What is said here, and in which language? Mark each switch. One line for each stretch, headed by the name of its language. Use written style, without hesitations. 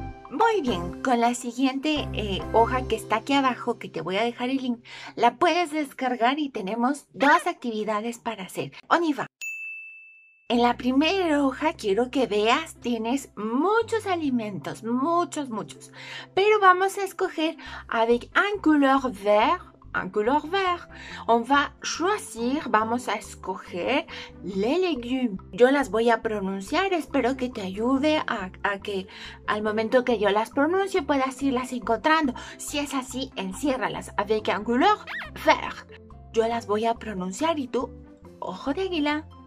Spanish: Muy bien, con la siguiente hoja que está aquí abajo, que te voy a dejar el link, la puedes descargar y tenemos dos actividades para hacer.
French: On y va.
Spanish: En la primera hoja quiero que veas, tienes muchos alimentos, muchos, muchos. Pero vamos a escoger
French: avec un couleur vert,
Spanish: un couleur vert.
French: On va choisir,
Spanish: vamos a escoger
French: les légumes.
Spanish: Yo las voy a pronunciar, espero que te ayude a que al momento que yo las pronuncie puedas irlas encontrando. Si es así, enciérralas
French: avec un couleur vert.
Spanish: Yo las voy a pronunciar y tú, ojo de águila.